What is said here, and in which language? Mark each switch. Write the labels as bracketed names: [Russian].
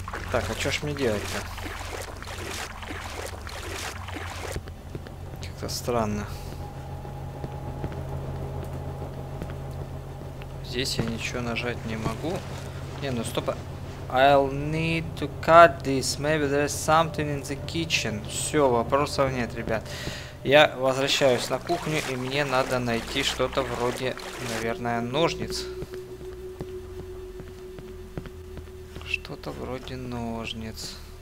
[Russian] Так, а что ж мне делать-то? Как-то странно. Здесь я ничего нажать не могу. Не, ну стоп. [English] I'll need to cut this. Maybe there's something in the kitchen. [Russian] Все, вопросов нет, ребят. Я возвращаюсь на кухню, и мне надо найти что-то вроде, наверное, ножниц. Что-то вроде ножниц.